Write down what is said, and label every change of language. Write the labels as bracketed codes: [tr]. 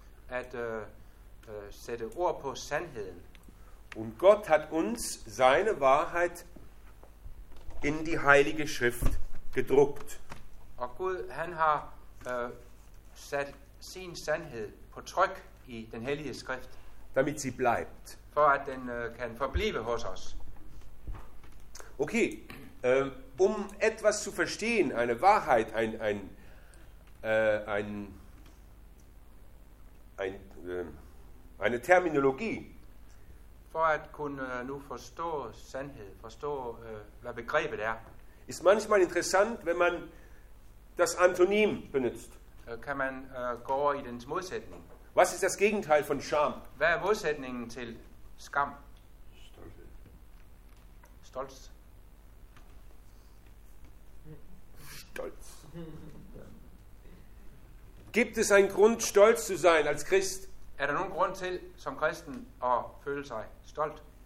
[da] At sætte ord på sandheden. [de] Und Gott hat uns seine Wahrheit in die Heilige Schrift gedruckt. [da] Og Gud, han har sat sin sandhed på tryk i den hellige skrift. [de] Damit sie bleibt. [da] For at den kan forblive hos os. [de] Okay, um etwas zu verstehen, eine Wahrheit, eine Terminologie. [da] For at kunne nu forstå sandhed, forstå hvad begrebet er. [de] Ist manchmal interessant, wenn man das Antonym benutzt. [da] Kann man gå over i dens modsætning. [de] Was ist das Gegenteil von Scham? [da] Hvad er modsætningen til skam? [de] Stolz. Stolz. Gibt es einen Grund, stolz zu sein als Christ? [da] Er der nogen grund til som kristen at føle sig stolt?